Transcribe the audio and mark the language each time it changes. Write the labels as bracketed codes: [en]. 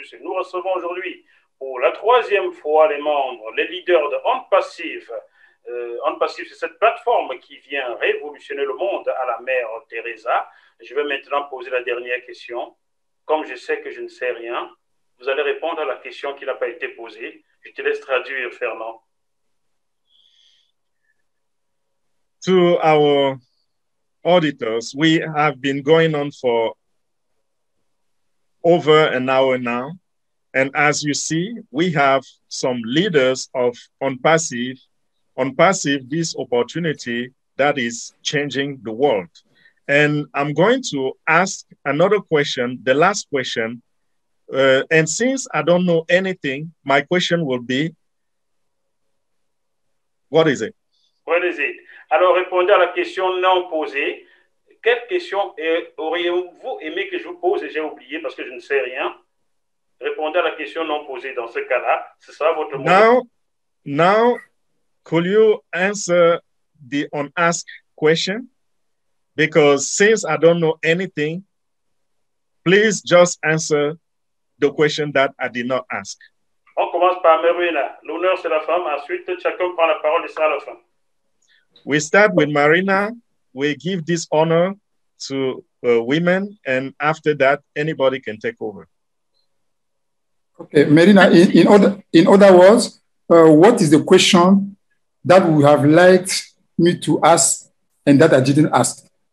[fr] Et nous recevons aujourd'hui, pour la troisième fois, les membres, les leaders de On Passive. On Passive, c'est cette plateforme qui vient révolutionner le monde à la mère Teresa. Je vais maintenant poser la dernière question. Comme je sais que je ne sais rien, vous allez répondre à la question qui n'a pas été posée. Je te laisse traduire, Fernand. [en] To our auditors, we have been going on for over an hour now. And as you see, we have some leaders of On Passive, this opportunity that is changing the world. And I'm going to ask another question, the last question. And since I don't know anything, my question will be, what is it? [fr] Alors, répondez à la question non posée. Quelle question auriez-vous aimé que je vous pose et j'ai oublié parce que je ne sais rien? Répondez à la question non posée dans ce cas-là. Ce sera votre mot. [en] Now, could you answer the unasked question? Because since I don't know anything, please just answer the question that I did not ask. [fr] On commence par Marina. L'honneur, c'est la femme. Ensuite, chacun prend la parole et sera la femme. [en] We start with Marina. We give this honor to women, and after that, anybody can take over. Okay, Marina, in other words, what is the question that we have liked me to ask and that I didn't ask?